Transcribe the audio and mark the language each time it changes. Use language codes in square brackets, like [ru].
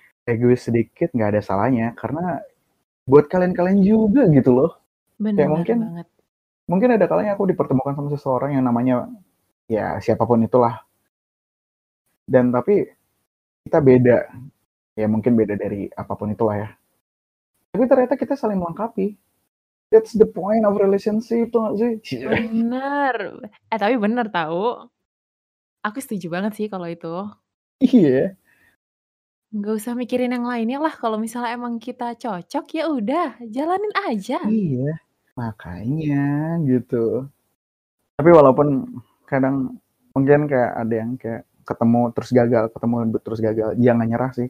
[id] Egois sedikit nggak ada salahnya karena buat kalian-kalian juga gitu loh. Bener mungkin banget. Mungkin ada kalanya aku dipertemukan sama seseorang yang namanya, ya siapapun itulah. Dan tapi kita beda, ya mungkin beda dari apapun itulah ya. Tapi ternyata kita saling melengkapi. [en] That's the point of relationship, [id] tuh gak sih? Bener. Tapi bener tau. Aku setuju banget sih kalau itu. Iya. Gak usah mikirin yang lainnya lah. Kalau misalnya emang kita cocok, ya udah, jalanin aja. Iya. Makanya gitu. Tapi walaupun kadang mungkin kayak ada yang kayak ketemu terus gagal, jangan nyerah sih.